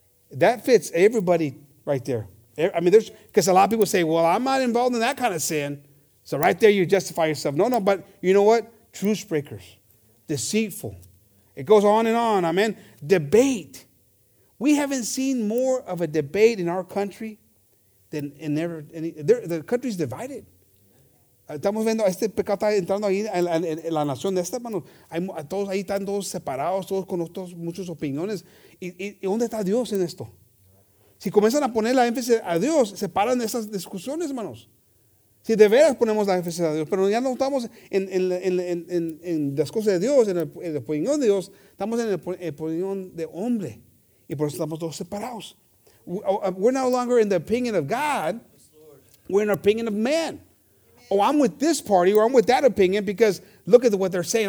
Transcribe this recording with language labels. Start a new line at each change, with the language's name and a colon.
English: That fits everybody right there. I mean, there's because a lot of people say, well, I'm not involved in that kind of sin. So right there, you justify yourself. No, but you know what? Truth breakers. Deceitful. It goes on and on. Amen. Debate. We haven't seen more of a debate in our country than in ever any. The country's divided.
Spanish: Estamos viendo este pecado está entrando ahí en la nación de esta, hermano. Todos ahí están todos separados, todos con otros, muchas opiniones. ¿Y dónde está Dios en esto? Si comienzan a poner la énfasis a Dios, se paran de esas discusiones, hermanos. Si de veras ponemos la énfasis a Dios, pero ya no estamos en las cosas de Dios, en la opinión de Dios, estamos en la opinión de hombre. Y por eso estamos todos separados.
English: We're no longer in the opinion of God. We're in the opinion of man. Oh, I'm with this party or I'm with that opinion because look at what they're saying.